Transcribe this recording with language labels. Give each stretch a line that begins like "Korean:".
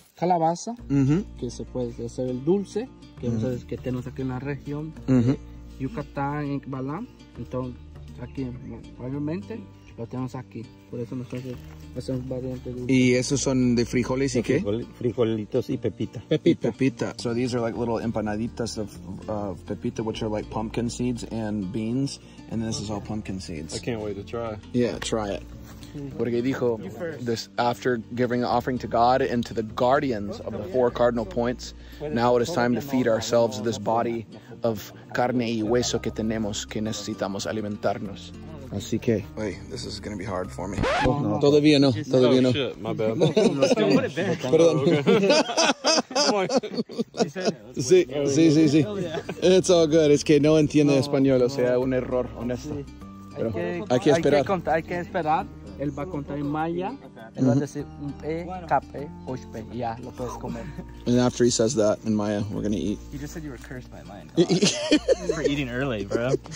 Spanish: Calabaza, que se puede hacer el dulce, que ustedes que tenemos aquí en la región, Yucatán, Ek Balam, entonces aquí, probablemente lo tenemos aquí, por eso nosotros hacemos variantes dulces. ¿Y esos son de frijoles y qué? Frijolitos y pepita. Pepita. Pepita.
English: So these are like little empanaditas of pepita, which are like pumpkin seeds and beans, and this is all pumpkin seeds. I can't wait to try. Yeah, try it.
Spanish: Porque dijo,
English: this after giving an offering to God and to the guardians of the four cardinal points, now it is time to feed ourselves this body of
Spanish: carne y hueso que tenemos, que necesitamos alimentarnos. Así que...
English: Wait, this is going to be hard for me.
Spanish: No, todavía no.
English: Oh, shit, my bad.
Spanish: Perdón. Sí.
English: It's all good.
Spanish: Es que no entiende español, o sea, un error, honesto. Pero hay que esperar. Hay que esperar. Él va a contar en maya, él va a decir un e, cape, ospe, ya, lo puedes comer.
English: And after he says that in maya, we're going to eat. You just said you were cursed by mine. For eating early, bro.